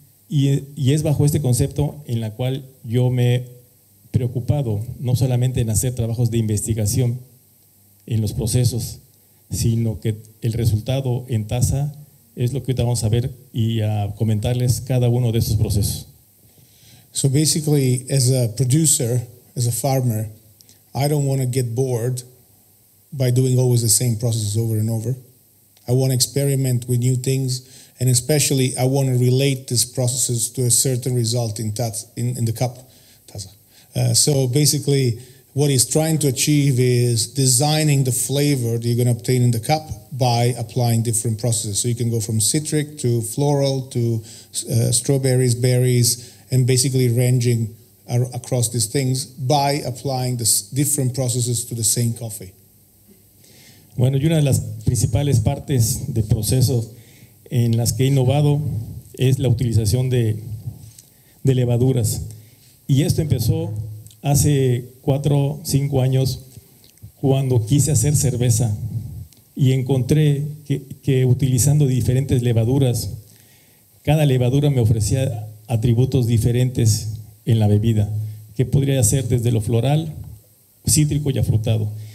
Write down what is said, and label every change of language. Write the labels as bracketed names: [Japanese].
[Spanish] Y es bajo este concepto en la cual yo me preocupado no solamente en hacer trabajos de investigación en los procesos, sino que el resultado en taza es lo que ahorita vamos a ver y a comentarles cada uno de esos procesos. [English] So basically, as a producer, as a farmer, I don't want to get bored by doing always the same processes over and over. I want to experiment with new things, and especially I want to relate these processes to a certain result in the cup. So basically, what he's trying to achieve is designing the flavor that you're going to obtain in the cup by applying different processes. So you can go from citric to floral to strawberries, berries, and basically ranging across these things by applying the different processes to the same coffee. [Spanish] Bueno, y una de las principales partes de procesos en las que he innovado es la utilización de levaduras. Y esto empezó hace 4 o 5 años cuando quise hacer cerveza y encontré que utilizando diferentes levaduras, cada levadura me ofrecía atributos diferentes en la bebida, que podría ser desde lo floral, cítrico y afrutado.